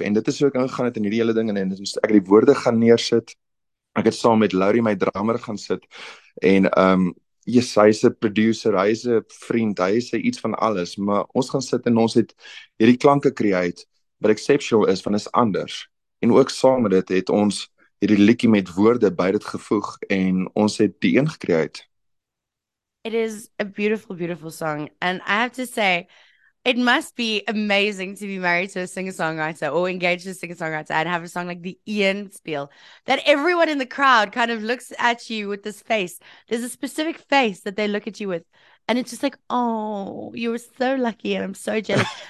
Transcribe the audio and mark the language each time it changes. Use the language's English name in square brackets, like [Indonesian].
[Afrikaans] En dit is hoe ek ingegaan het in hierdie hele ding, en ek het die woorde gaan neersit. Ek het saam met Laurie my drummer gaan sit, en hy's 'n producer, hy's 'n vriend, hy's iets van alles, maar ons gaan sit en ons het hierdie klanke create wat exceptional is, want is anders. En ook saam met dit het ons hierdie liedjie met woorde by dit gevoeg en ons het die een gecreate. [English] It is a beautiful, beautiful song. And I have to say, it must be amazing to be married to a singer-songwriter or engaged to a singer-songwriter and have a song like the Ian spiel that everyone in the crowd kind of looks at you with this face. There's a specific face that they look at you with. And it's just like, oh, you were so lucky and I'm so jealous.